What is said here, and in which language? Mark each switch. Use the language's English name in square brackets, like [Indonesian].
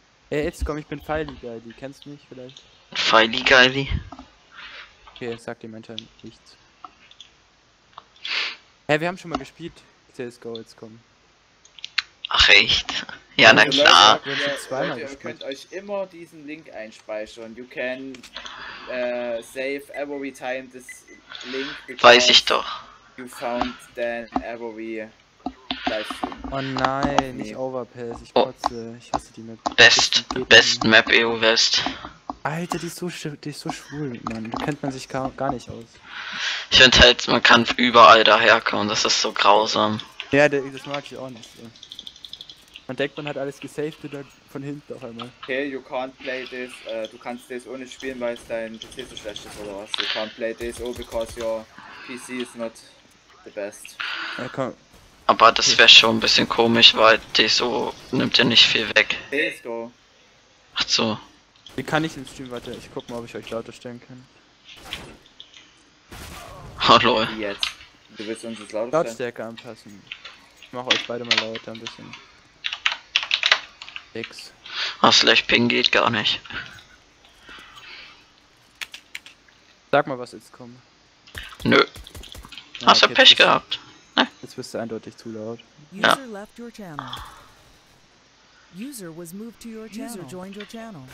[German] Ey, jetzt komm, ich bin Feiligaldi, kennst du mich vielleicht? Feiligaldi? Okay, sag dem Menschen nichts. Hey, wir haben schon mal gespielt, CSGO, jetzt komm. Ach echt? Ja, na klar. Leute, ihr könnt euch immer diesen Link einspeichern. [English] You can save every time this link. [German] Weiß ich doch. [English] You found then every Livestream. [German] Oh nein, oh, nicht Overpass. Ich kotze. Oh. Ich hasse die Map. [English] Best Map EU West. [German] Alter, die ist so schwul, Mann. Da kennt man sich gar nicht aus. Ich finde halt, man kann überall daherkommen. Das ist so grausam. Ja, das mag ich auch nicht so. Man denkt, man hat alles gesaved und dann von hinten auf einmal. [English] Okay, you can't play this, [German] du kannst das ohne spielen, weil es dein PC so schlecht ist oder was. [English] You can't play this, oh, because your PC is not the best. [German] Ja, komm. Aber das wäre schon ein bisschen komisch, weil DSO nimmt ja nicht viel weg. CSGO. Ach so. Wie kann ich im Stream weiter? Ich guck mal, ob ich euch lauter stellen kann. Hallo. Jetzt. Du willst uns das lauter stellen? Lautstärke anpassen. Ich mach euch beide mal lauter ein bisschen. X. Ach, vielleicht Ping geht gar nicht. Sag mal, was jetzt kommt. Nö. Ja, hast du okay, Pech gehabt? Jetzt wirst du eindeutig zu laut. Ja. [English] User left your channel. User was moved to your channel. User joined your channel.